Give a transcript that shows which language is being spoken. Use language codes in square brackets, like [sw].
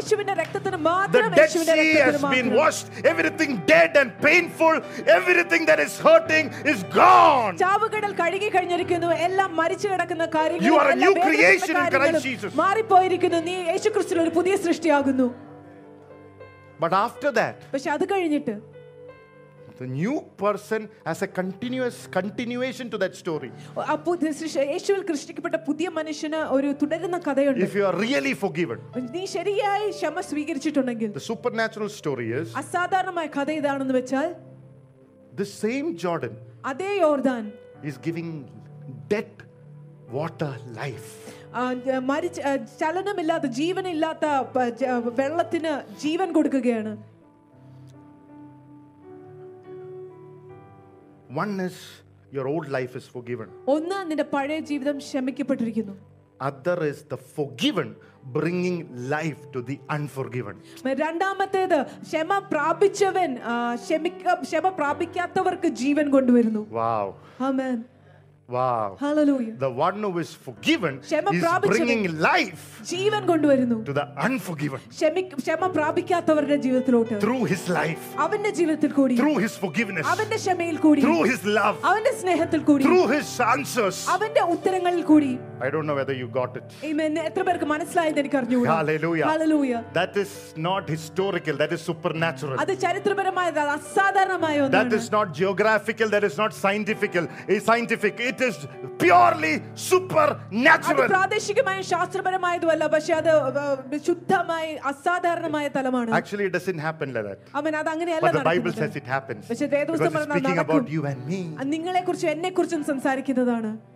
[ml] യേശുവിന്റെ രക്തത്തിനു മാത്രം യേശുവിന്റെ രക്തത്തിനു മാത്രം. [en] The Dead Sea has been washed. Everything dead and painful, everything that is hurting is gone. [ml] ചാവുകടൽ കഴുകി മുങ്ങി കഴിഞ്ഞിരിക്കുന്നു എല്ലാം മരിച്ചു കിടക്കുന്ന കാര്യങ്ങളും [en] But after that, [ml] പക്ഷേ അത് കഴിഞ്ഞിട്ട് [en] The new person has a continuation to that story. [ml] അപ്പോൾ യേശുവിൽ സൃഷ്ടിക്കപ്പെട്ട പുതിയ മനുഷ്യന് ഒരു തുടരുന്ന കഥയുണ്ട്. [en] If you are really forgiven, [ml] നീ ശരിയായി ക്ഷമ സ്വീകരിച്ചിട്ടുണ്ടെങ്കിൽ, [en] the supernatural story is, [ml] അസാധാരണമായ കഥ ഇതാണെന്ന് വെച്ചാൽ, [en] the same Jordan, [ml] അതേ യോർദാൻ, [en] is giving death, water, life. [ml] മരിച്ച ചലനമില്ലാത്ത ജീവനില്ലാത്ത വെള്ളത്തിന് ജീവൻ കൊടുക്കുകയാണ് [en] One is your old life is forgiven. [ml] ഒന്നാ നിന്റെ പഴയ ജീവിതം ക്ഷമിക്കപ്പെട്ടിരിക്കുന്നു. [en] Other is the forgiven bringing life to the unforgiven. [ml] രണ്ടാമത്തേത് ക്ഷമ പ്രാപിച്ചവൻ ക്ഷമ പ്രാപിക്കാത്തവർക്ക് ജീവൻ കൊണ്ടുവരുന്നു. Wow. Amen. Wow. Hallelujah. [en] The one who is forgiven is bringing life [ml] ജീവൻ കൊണ്ടുവരുന്നു [en] to the unforgiven. [ml] ക്ഷമ പ്രാപിക്കാത്തവരുടെ ജീവിതത്തിലോട്ട് [en] through his life [ml] അവന്റെ ജീവിതത്തിൽ കൂടി [en] through his forgiveness [ml] അവന്റെ ക്ഷമയിൽ കൂടി [en] through his love [ml] അവന്റെ സ്നേഹത്തിൽ കൂടി [en] through his answers [ml] അവന്റെ ഉത്തരങ്ങളിൽ കൂടി [en] I don't know whether you got it. Amen. [ml] എത്ര പേർക്ക് മനസ്സിലായെന്ന് എനിക്ക് അറിഞ്ഞു കൂടാ. Hallelujah. Hallelujah. [en] That is not historical, that is supernatural. [ml] അത് ചരിത്രപരമായതല്ല, അസാധാരണമായ ഒന്നാണ്. [en] That is not geographical, that is not scientific. It is purely supernatural. [ml] അത് പ്രാദേശികമായ ശാസ്ത്രപരമായതല്ല, പക്ഷേ അത് ശുദ്ധമായി അസാധാരണമായ തലമാണ്. [en] Actually it doesn't happen like that. [ml] അമ്മ അത് അങ്ങനെയല്ല നടക്കുന്നത്. [en] But the Bible says it happens. [ml] പക്ഷേ ദൈവദൂതൻ പറഞ്ഞു [en] speaking about you and me. [ml] നിങ്ങളെക്കുറിച്ച് എന്നെക്കുറിച്ചും സംസാരിക്കുന്നതാണ്.